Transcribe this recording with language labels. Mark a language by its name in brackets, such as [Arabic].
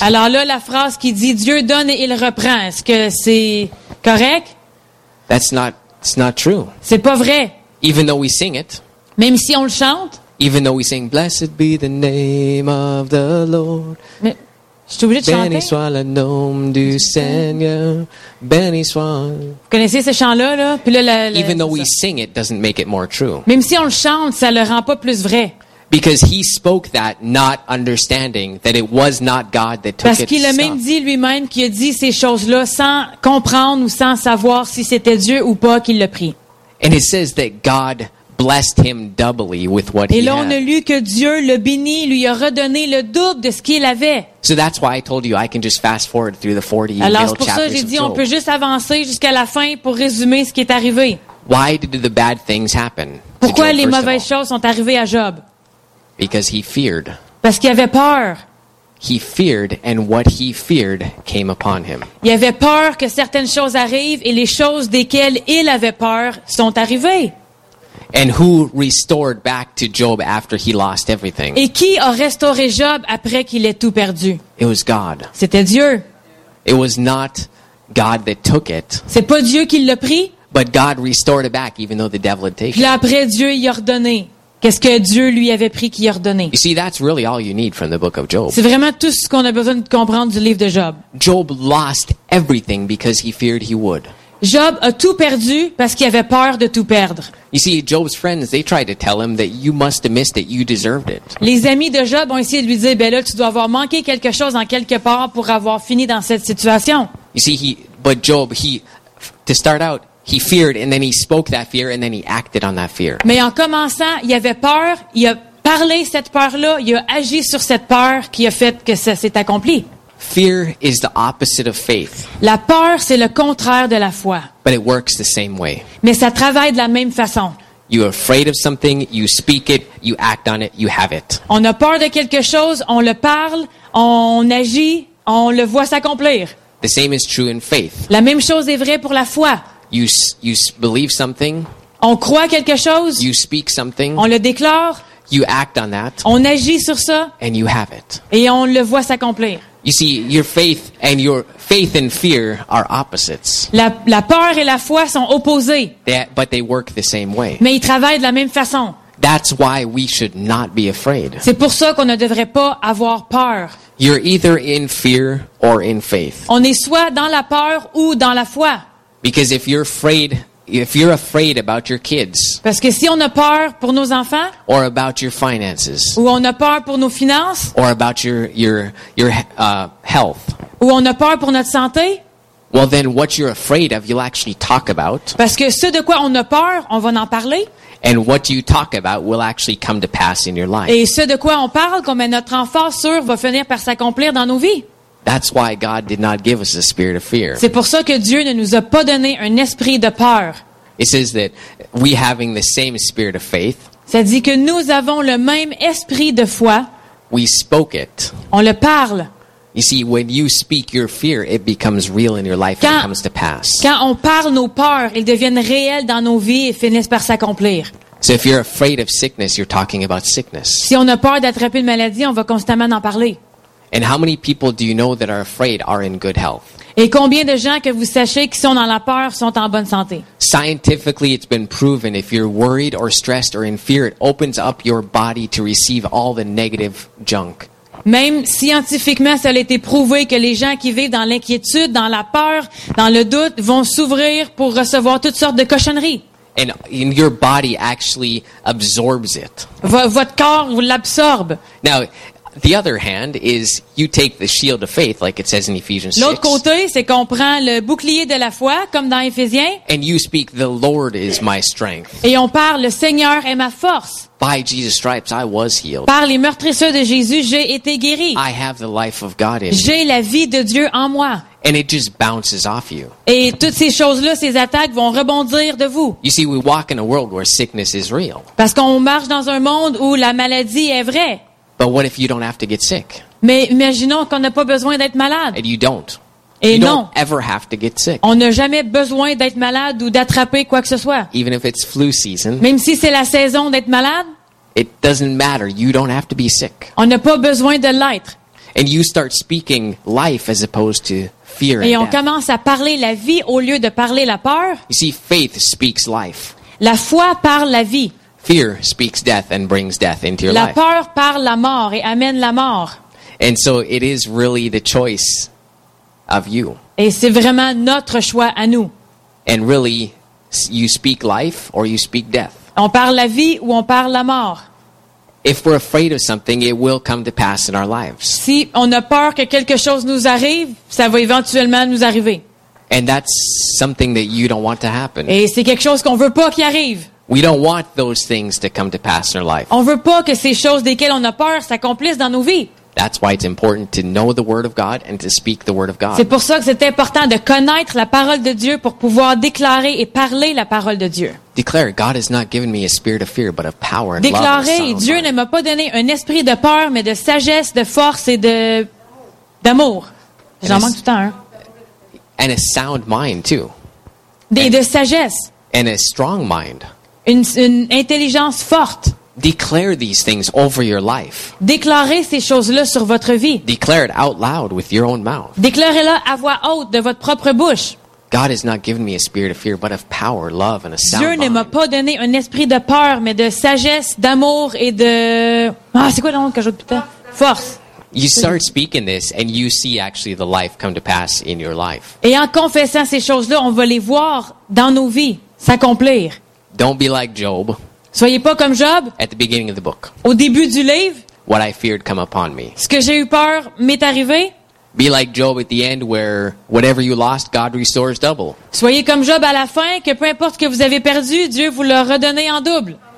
[French] Alors là la phrase qui dit Dieu donne et il reprend, est-ce que c'est correct? [English] It's not true. [French] C'est pas vrai. [English] Even though we sing it. [French] Même si on le chante. [English] Even though we sing, blessed be the name of the Lord. [French] Mais, je suis obligé de chanter. Béni soit le nom du Seigneur. Béni soit. Vous connaissez ce chant-là, là? Puis là [English] Even though we sing, it doesn't make it more true. [French] Même si on le chante, ça le rend pas plus vrai. [English] Because he spoke that not understanding that it was not God that took [French] Parce qu'il a même dit lui-même qu'il a dit ces choses-là sans comprendre ou sans savoir si c'était Dieu ou pas qu'il l'a pris. [English] And it says that God blessed him doubly with what he had. [French] Et là, on a lu que Dieu le bénit, lui a redonné le double de ce qu'il avait. [English] So that's why I told you I can just fast forward through the 40 chapters. [French] Alors c'est pour ça j'ai dit on peut juste avancer jusqu'à la fin pour résumer ce qui est arrivé. [English] Why did the bad things happen? [French] Pourquoi les mauvaises choses sont arrivées à Job? [English] Because he feared. [French] Parce qu'il avait peur. [English] He feared, and what he feared came upon him. [French] Il avait peur que certaines choses arrivent et les choses desquelles il avait peur sont arrivées. [English] And who restored back to Job after he lost everything? [French] Et qui a restauré Job après qu'il ait tout perdu? [English] It was God. [French] C'était Dieu. [English] It was not God that took it. [French] C'est pas Dieu qui l'a pris. [English] But God restored it back, even though the devil had taken it. [French] Puis après, Dieu y a redonné. Qu'est-ce que Dieu lui avait pris qu'il a redonné? [English] You see, that's really all you need from the book of Job. [French] C'est vraiment tout ce qu'on a besoin de comprendre du livre de Job. [English] Job lost everything because he feared he would. [French] Job a tout perdu parce qu'il avait peur de tout perdre. [English] You see, Job's friends, they tried to tell him that you must have missed it, you deserved it. [French] Les amis de Job ont essayé de lui dire, ben là, tu dois avoir manqué quelque chose en quelque part pour avoir fini dans cette situation. [English] You see, but Job, to start out, he feared, and then he spoke that fear, and then he acted on that fear. [French] Mais en commençant, il avait peur, il a parlé cette peur-là, il a agi sur cette peur qui a fait que ça s'est accompli. [English] Fear is the opposite of faith. [French] La peur, c'est le contraire de la foi. [English] But it works the same way. [French] Mais ça travaille de la même façon. [English] You're afraid of something, you speak it, you act on it, you have it. [French] On a peur de quelque chose, on le parle, on agit, on le voit s'accomplir. [English] The same is true in faith. [French] La même chose est vraie pour la foi. [English] You believe something. [French] On croit quelque chose. [English] You speak something. [French] On le déclare. [English] You act on that. [French] On agit sur ça. [English] And you have it. [French] Et on le voit s'accomplir. [English] You see, your faith and fear are opposites. [French] La peur et la foi sont opposées. [English] But they work the same way. [French] Mais ils travaillent de la même façon. [English] That's why we should not be afraid. [French] C'est pour ça qu'on ne devrait pas avoir peur. [English] You're either in fear or in faith. [French] On est soit dans la peur ou dans la foi. [English] Because if you're afraid about your kids, [French] parce que si on a peur pour nos enfants, [English] or about your finances, [French] ou on a peur pour nos finances, [English] or about your health, [French] ou on a peur pour notre santé, [English] well then what you're afraid of you'll actually talk about, [French] parce que ce de quoi on a peur on va en parler, [English] and what you talk about will actually come to pass in your life, [French] et ce de quoi on parle qu'on met notre enfant sur va finir par s'accomplir dans nos vies. [English] That's why God did not give us a spirit of fear. [French] C'est pour ça que Dieu ne nous a pas donné un esprit de peur. [English] It says that we having the same spirit of faith. [French] Ça dit que nous avons le même esprit de foi. [English] We spoke it. [French] On le parle. [English] You see, when you speak your fear, it becomes real in your life [French] quand, [English] and it comes to pass. [French] Quand on parle nos peurs, elles deviennent réelles dans nos vies et finissent par s'accomplir. [English] So if you're afraid of sickness, you're talking about sickness. [French] Si on a peur d'attraper une maladie, on va constamment en parler. [English] And how many people do you know that are afraid are in good health? [French] Et combien de gens que vous sachez qui sont dans la peur sont en bonne santé? [English] Scientifically, it's been proven if you're worried or stressed or in fear, it opens up your body to receive all the negative junk. [French] Même scientifiquement, ça a été prouvé que les gens qui vivent dans l'inquiétude, dans la peur, dans le doute, vont s'ouvrir pour recevoir toutes sortes de cochonneries. [English] And your body actually absorbs it. [French] Votre corps vous l'absorbe. [English] Now, the other hand is you take the shield of faith, like it says in Ephesians 6. [French] L'autre côté, c'est qu'on prend le bouclier de la foi, comme dans Éphésiens. [English] And you speak, the Lord is my strength. [French] Et on parle, le Seigneur est ma force. [English] By Jesus' stripes, I was healed. [French] Par les meurtrissures de Jésus, j'ai été guéri. [English] I have the life of God in me. [French] J'ai la vie de Dieu en moi. [English] And it just bounces off you. [French] Et toutes ces choses-là, ces attaques vont rebondir de vous. [English] You see, we walk in a world where sickness is real. [French] Parce qu'on marche dans un monde où la maladie est vraie. [English] But what if you don't have to get sick? [French] Mais imaginons qu'on n'a pas besoin d'être malade. [English] And you don't. [French] Et [English] you [French] non. [English] Don't ever have to get sick. [French] On n'a jamais besoin d'être malade ou d'attraper quoi que ce soit. [English] Even if it's flu season. [French] Même si c'est la saison d'être malade. [English] It doesn't matter. You don't have to be sick. [French] On n'a pas besoin de l'être. [English] And you start speaking life as opposed to fear. [French] Et on commence à parler la vie au lieu de parler la peur. [English] You see, faith speaks life. [French] La foi parle la vie. [English] Fear speaks death and brings death into your [French] la [English] life. [French] La peur parle la mort et amène la mort. [English] And so it is really the choice of you. [French] Et c'est vraiment notre choix à nous. [English] And really, you speak life or you speak death. [French] On parle la vie ou on parle la mort. [English] If we're afraid of something, it will come to pass in our lives. [French] Si on a peur que quelque chose nous arrive, ça va éventuellement nous arriver. [English] And that's something that you don't want to happen. [French] Et c'est quelque chose qu'on veut pas qui arrive. [English] We don't want those things to come to pass in our life. [French] On veut pas que ces choses desquelles on a peur s'accomplissent dans nos vies. [English] That's why it's important to know the word of God and to speak the word of God. [French] C'est pour ça que c'est important de connaître la parole de Dieu pour pouvoir déclarer et parler la parole de Dieu. [English] Declare, God has not given me a spirit of fear, but of power and [French] Déclarer, [English] love. [French] Déclarer, Dieu ne m'a pas donné un esprit de peur, mais de sagesse, de force et d'amour. J'en manque tout le temps. Hein? [English] And a sound mind too. [French] De sagesse. [English] And a strong mind. [French] Une intelligence forte. [English] Declare these things over your life. [French] Déclarez ces choses-là sur votre vie. [English] Declare it out loud with your own mouth. [French] Déclarez-la à voix haute de votre propre bouche. [English] God has not given me a spirit of fear, but of power, love, and a sound mind. [French] Dieu ne m'a pas donné un esprit de peur, mais de sagesse, d'amour et de c'est quoi le nom que j'ai putain? Force. [English] You start speaking this, and you see actually the life come to pass in your life. [French] Et en confessant ces choses-là, on va les voir dans nos vies s'accomplir. [English] Don't be like Job. [French] Soyez pas comme Job. [English] At the beginning of the book. [French] Au début du livre. [English] What I feared come upon me. [French] Ce que j'ai eu peur m'est arrivé. [English] Be like Job at the end, where whatever you lost, God restores double. [French] Soyez comme Job à la fin, que peu importe que vous avez perdu, Dieu vous le redonne en double.